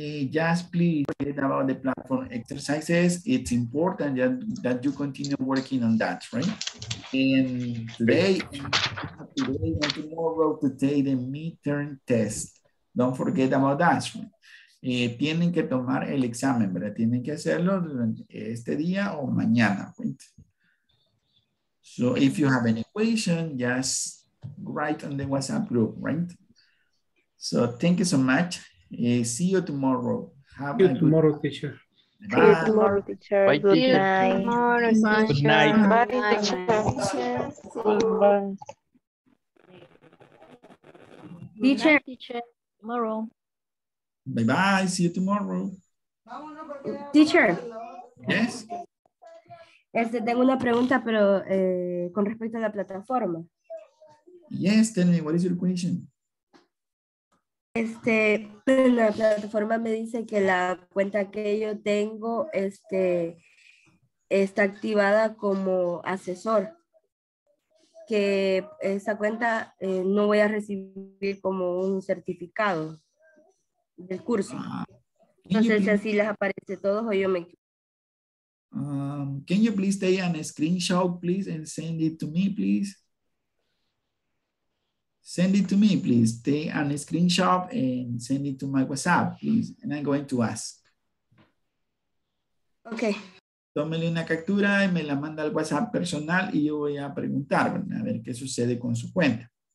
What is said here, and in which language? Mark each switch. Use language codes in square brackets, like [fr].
[en] Just please forget about the platform exercises. It's important that you continue working on that, right? And today and tomorrow to take the midterm test. Don't forget about that, right? [es] Tienen que tomar el examen, ¿verdad? Tienen que hacerlo este día o mañana, [en] right? So if you have any question, just write on the WhatsApp group, right? So thank you so much. See you tomorrow. Have you a tomorrow, good teacher. Bye. See you tomorrow, teacher. Bye. Good night. Good night. Good night. Good night. Good night. Teacher. teacher. Teacher. Tomorrow. Bye bye. See you tomorrow. Teacher. Yes. [es] Tengo una pregunta, pero con respecto a la plataforma. [en] Yes, tell me, what is your question? [es] En la plataforma me dice que la cuenta que yo tengo está activada como asesor. Que esa cuenta no voy a recibir como un certificado del curso. No sé si así les aparece todos o yo me. [en] Can you please take a screenshot, please, and send it to me, please? Send it to me, please. Take a screenshot and send it to my WhatsApp, please. And I'm going to ask. Okay. [es] Tómele una captura y me la manda al WhatsApp personal y yo voy a preguntar, a ver qué sucede con su cuenta.